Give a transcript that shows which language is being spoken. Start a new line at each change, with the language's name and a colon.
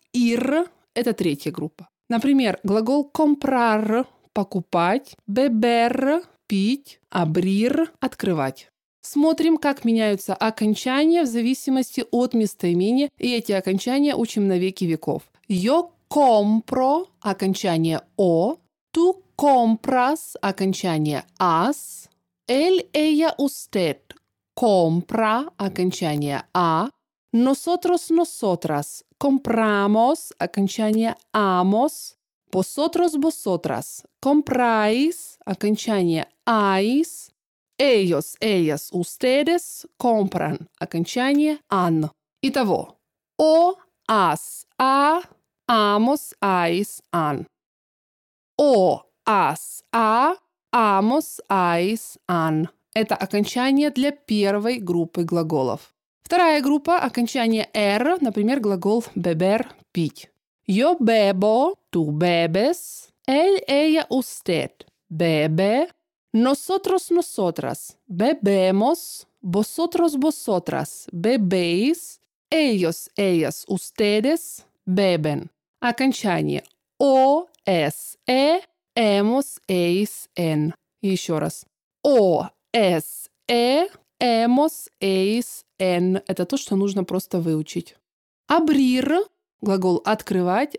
Russian: «Ir» – это третья группа. Например, глагол «comprar» – «покупать», «beber» – «пить», «abrir» – «открывать». Смотрим, как меняются окончания в зависимости от местоимения, и эти окончания учим на веки веков.
Spanish: Yo compro –
Russian: окончание «о»,
Spanish: tú compras –
Russian: окончание «as»,
Spanish: él, ella, usted – compra –
Russian: окончание «а»,
Spanish: nosotros, nosotras – compramos –
Russian: окончание «amos»,
Spanish: vosotros, vosotras – compráis –
Russian: окончание «ais»,
Spanish: ellos, ellas, ustedes, compran,
Russian: окончание an.
Spanish: Итого, o, as, a, amos, ais, an. O, as, a, amos, ais, an.
Russian: Это окончание для первой группы глаголов. Вторая группа, окончание r, например, глагол beber, пить.
Spanish: Yo bebo, tú bebes, él, ella, usted, bebe. Nosotros, nosotras, bebemos, vosotros, vosotras, bebéis, ellos, ellas, ustedes, beben.
Russian: Окончание «о», «с», «э», «эмос», «эйс», «эн». Еще раз. «О», «с», «э», «эмос», «эйс», «эн». Это то, что нужно просто выучить. «Абрир» – глагол «открывать».